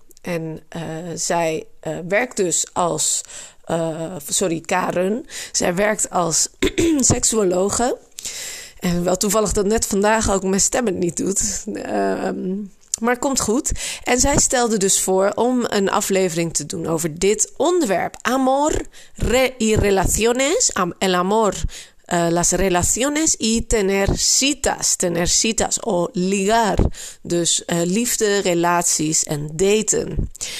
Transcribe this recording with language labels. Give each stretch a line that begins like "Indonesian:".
Dutch: En zij werkt dus als... Karen. Zij werkt als seksuologe. En wel toevallig dat net vandaag ook mijn stem het niet doet. Maar komt goed. En zij stelde dus voor om een aflevering te doen over dit onderwerp.
Spanish: Amor y relaciones. El amor, las relaciones y tener citas. Tener citas o ligar.
Dutch: Dus liefde, relaties en daten.